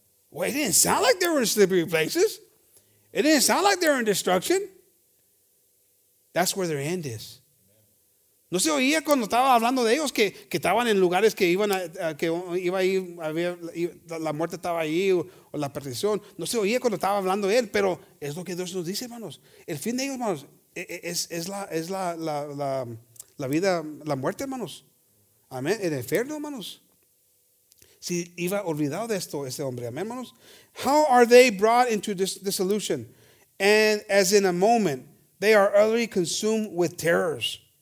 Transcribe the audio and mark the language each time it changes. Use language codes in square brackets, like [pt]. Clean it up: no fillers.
[en] Well, it didn't sound like they were in slippery places. It didn't sound like they were in destruction. That's where their end is. [es] No se oía cuando estaba hablando de ellos que estaban en lugares que iban a que iba ahí, había la muerte estaba ahí o la perdición. No se oía cuando estaba hablando él, pero es lo que Dios nos dice, hermanos. El fin de ellos, hermanos, es la vida, la muerte, hermanos. Amén. El infierno, hermanos. Si iba olvidado de esto ese hombre, amén, hermanos. [en] How are they brought into dissolution? And as in a moment, they are utterly consumed with terrors.